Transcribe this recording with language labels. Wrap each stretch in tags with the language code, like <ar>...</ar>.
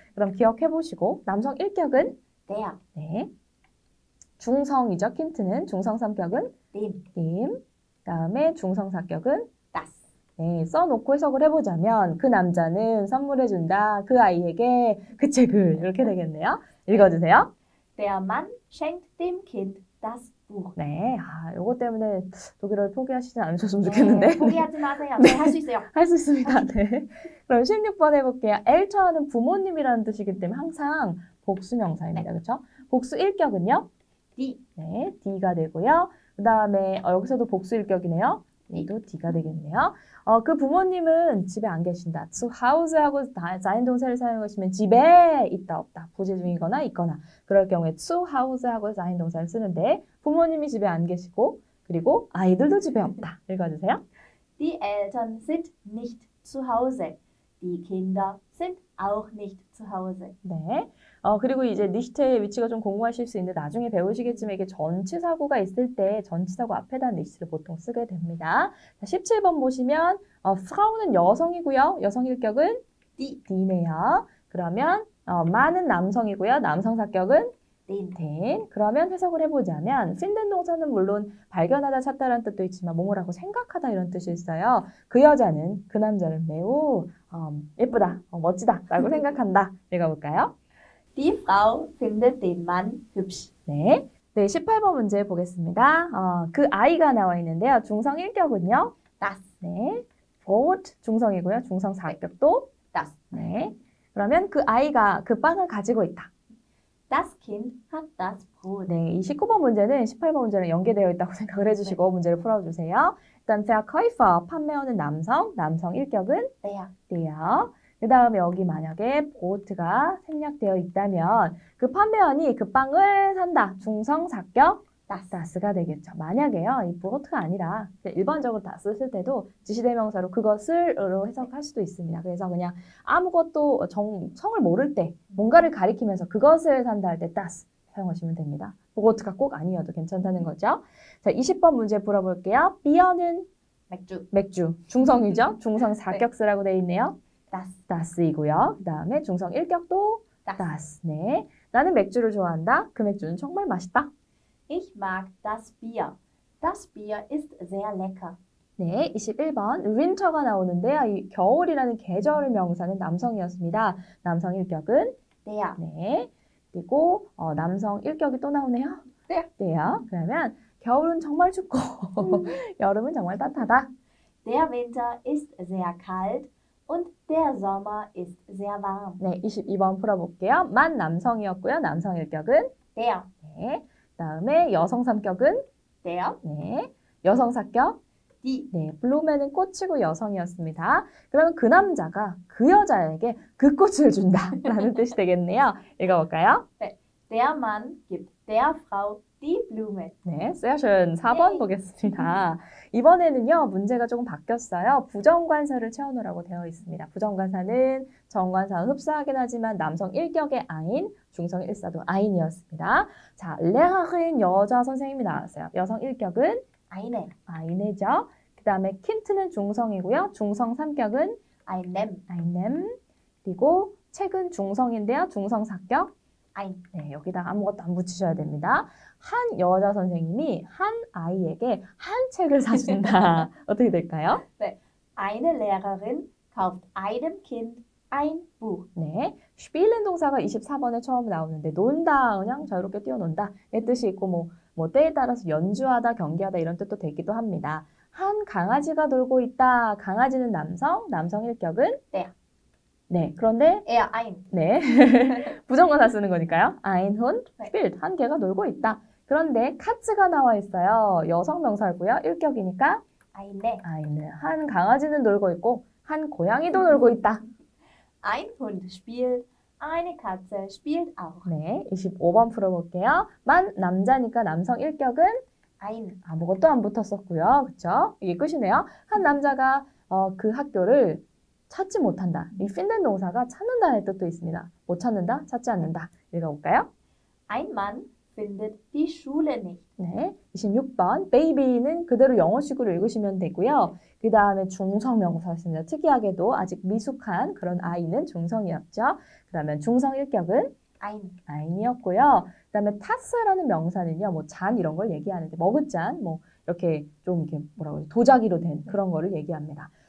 <ko>그럼 기억해 보시고 남성 1격은? 네. 네. 중성이죠. 킨트는 중성 3격은? 님. 다음에 중성 사격은?</ko> <de>das.</de> <ko>네, 써놓고 해석을 해보자면 그 남자는 선물해준다. 그 아이에게 그 책을. 이렇게 되겠네요. 읽어주세요.</ko> <de>Der Mann schenkt dem Kind das Buch.</de> <ko>네, 요거 때문에 독일어를 포기하시지 않으셨으면 좋겠는데. 네, 포기하지 마세요. 네, 할 수 있어요. 할 수 있습니다. 네. 그럼 16번 해볼게요. 엘처하는 부모님이라는 뜻이기 때문에 항상 복수명사입니다. 네. 그렇죠? 복수 1격은요?</ko> <de>die.</de> <ko>네, die가 되고요. 그 다음에 여기서도 복수 일격이네요. 이도 D가 되겠네요. 그 부모님은 집에 안 계신다. zu Hause 하고 sein 동사를 사용하시면 집에 있다 없다. 부재 중이거나 있거나. 그럴 경우에 zu Hause 하고 sein 동사를 쓰는데 부모님이 집에 안 계시고 그리고 아이들도 집에 없다. 읽어주세요. D</ko> <de>Die Eltern sind nicht zu Hause. Die Kinder sind auch nicht zu Hause.</de> <ko>네. 그리고 이제 니스트의 위치가 좀 궁금하실 수 있는데 나중에 배우시겠지만 이게 전치사구가 있을 때 전치사구 앞에다 니스트를 보통 쓰게 됩니다. 자, 17번 보시면 프라우는 여성이고요. 여성 일격은</ko> <de>Die.</de> <ko>die네요. 그러면 man은 남성이고요. 남성 사격은</ko> <de>Den. den.</de> <ko>그러면 해석을 해보자면 finden 동사는 물론 발견하다 찾다라는 뜻도 있지만 뭐뭐라고 생각하다 이런 뜻이 있어요. 그 여자는 그 남자를 매우 예쁘다, 멋지다라고 생각한다. 읽어볼까요?</ko> <de>Die Frau findet den Mann hübsch.</de> <ko>네. 네, 18번 문제 보겠습니다. 그 아이가 나와 있는데요. 중성 일격은요?</ko> <de>Das.</de> <ko>네. Brot 중성이고요. 중성 사격도?</ko> <de>Das.</de> <ko>네. 그러면 그 아이가 그 빵을 가지고 있다.</ko> <de>Das Kind hat das Brot.</de> <ko>네. 이 19번 문제는 18번 문제랑 연계되어 있다고 생각을 해주시고 문제를 풀어주세요. 일단, Verkäufer, 판매원은 남성, 남성 일격은? 네. 네요. 그 다음에 여기 만약에 보트가 생략되어 있다면 그 판매원이 그 빵을 산다. 중성 사격 다스가 되겠죠. 만약에요. 이 보트가 아니라 일반적으로 다스 쓸 때도 지시대명사로 그것을로 해석할 수도 있습니다. 그래서 그냥 아무것도 성을 모를 때 뭔가를 가리키면서 그것을 산다 할때 다스 사용하시면 됩니다. 보트가 꼭 아니어도 괜찮다는 거죠. 자, 20번 문제 풀어볼게요. 비어는 맥주. 맥주. 중성이죠? 중성 사격스라고 되어 있네요. 다스이고요. 그다음에 중성 일격도 다스네. 나는 맥주를 좋아한다. 그 맥주는 정말 맛있다.</ko> <de>Ich mag das Bier. Das Bier ist sehr lecker.</de> <ko>네, 21번 winter가 나오는데요. 이 겨울이라는 계절의 명사는 남성이었습니다. 남성 일격은</ko> <de>Der.</de> <ko>네. 그리고 남성 일격이 또 나오네요. 네. 네요. 그러면 겨울은 정말 춥고 여름은 정말 따뜻하다.</ko> <de>Der Winter ist sehr kalt und der Sommer ist sehr warm.</de> <ko>네, 22번 풀어볼게요. 만 남성이었고요. 남성 일격은? 대요. 네. 그다음에 여성 삼격은? 대요. 네. 여성 사격?</ko> <de>Die.</de> <ko>네. 블루맨은 꽃이고 여성이었습니다. 그러면 그 남자가 그 여자에게 그 꽃을 준다라는 뜻이 되겠네요. 읽어볼까요?</ko> <de>Der Mann gibt der Frau die Blume.</de> <ko>네. Session 4번 Yay. 보겠습니다. 이번에는요, 문제가 조금 바뀌었어요. 부정관사를 채우느라고 되어 있습니다. 부정관사는 정관사와 흡사하긴 하지만 남성 일격의 아인, 중성 일사도 아인이었습니다. 자, 레아흔 여자 선생님이 나왔어요. 여성 일격은 아이네. 아이네죠. 그 다음에 킨트는 중성이고요. 중성 삼격은 아이넴. 아이넴. 그리고 책은 중성인데요. 중성 사격. 아이. 네, 여기다가 아무것도 안 붙이셔야 됩니다. 한 여자 선생님이 한 아이에게 한 책을 사준다. 어떻게 될까요?</ko> <de>Eine Lehrerin kauft einem Kind ein Buch.</de> <ko>네. Spielen 동사가 24번에 처음 나오는데, 논다, 그냥 자유롭게 뛰어논다. 의 뜻이 있고, 때에 따라서 연주하다, 경기하다 이런 뜻도 되기도 합니다. 한 강아지가 놀고 있다. 강아지는 남성, 남성 일격은? 네. 그런데, 에어 아인. 네. 부정관사 쓰는 거니까요.</ko> <de>Ein Hund spielt.</de> <ko>한 개가 놀고 있다. 그런데 카츠가 나와 있어요. 여성 명사고요. 일격이니까 아인네. 아이는 한 강아지는 놀고 있고 한 고양이도 놀고 있다.</ko> <de>Ein Hund spielt, eine Katze spielt auch.</de> <ko>네. 25번 풀어볼게요. 만 남자니까 남성 일격은</ko> <de>Ein.</de> <ko>아무것도 안 붙었었고요. 그쵸? 이게 끝이네요. 한 남자가 그 학교를 찾지 못한다. 이 finden 동사가 찾는다는 뜻도 있습니다. 못 찾는다, 찾지 않는다. 읽어볼까요?</ko> <de>Ein Mann findet die Schule nicht.</de> <ko>네. 26번. baby는 그대로 영어식으로 읽으시면 되고요. 그 다음에 중성 명사였습니다. 특이하게도 아직 미숙한 그런 아이는 중성이었죠. 그러면 중성 일격은? 아인. ein이었고요. 그 다음에 tass라는 명사는요. 뭐잔 이런 걸 얘기하는데 머그잔, 뭐 이렇게 좀 이렇게 뭐라고 해야 도자기로 된 그런 거를 얘기합니다.</ko>